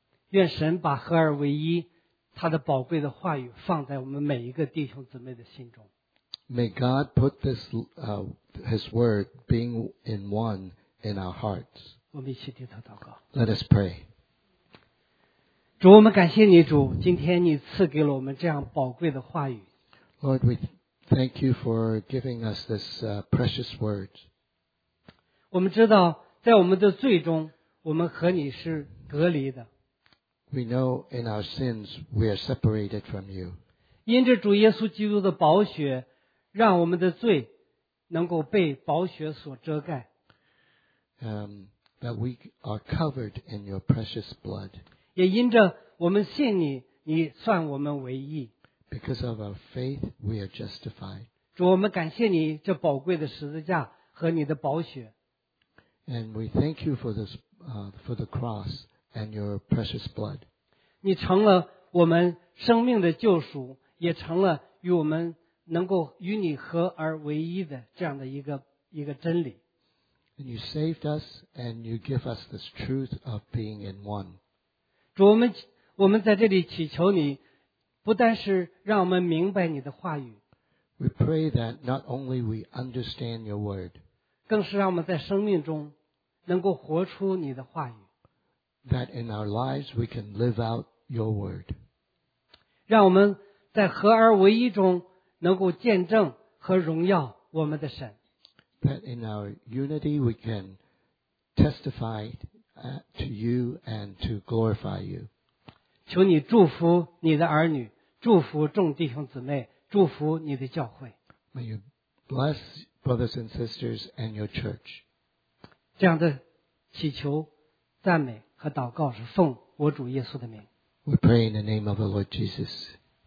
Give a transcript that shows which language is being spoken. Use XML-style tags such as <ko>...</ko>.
<zh>愿神把合而为一他的宝贵的话语放在我们每一个弟兄姊妹的心中。</zh> <en>May God put this, His word being in one in our hearts.</en> <zh>我们一起低头祷告。</zh> <en>Let us pray.</en> <zh>主，我们感谢你，主，今天你赐给了我们这样宝贵的话语。</zh> <en>Lord, we Thank you for giving us this precious word.</en> <zh>我们知道在我们的罪中我们和你是隔离的。</zh> <en>We know in our sins we are separated from you.</en> <zh>因着主耶稣基督的宝血让我们的罪能够被宝血所遮盖。</zh> <en>That we are covered in your precious blood.</en> <zh>也因着我们信你你算我们为义。</zh> <en>Because of our faith, we are justified.</en> <zh>主，我们感谢你这宝贵的十字架和你的宝血。</zh> <en>And we thank you for this, for the cross and your precious blood.</en> <zh>你成了我们生命的救赎，也成了与我们能够与你合而为一的这样的一个真理。</zh> <en>And you saved us and you give us this truth of being in one.</en> <zh>主，我们在这里祈求你，不单是让我们明白你的话语。</zh> <en>We pray that not only we understand your word,</en> <zh>更是让我们在生命中能够活出你的话语。</zh> <en>That in our lives we can live out your word.</en> <zh>让我们在合而为一中能够见证和荣耀我们的神。</zh> <en>That in our unity we can testify to you and to glorify you.</en> <zh>求你祝福你的儿女，祝福众弟兄姊妹，祝福你的教会。</zh> <en>May you bless brothers and sisters and your church.</en> <zh>这样的祈求、赞美和祷告是奉我主耶稣的名。</zh> <en>We pray in the name of the Lord Jesus.</en>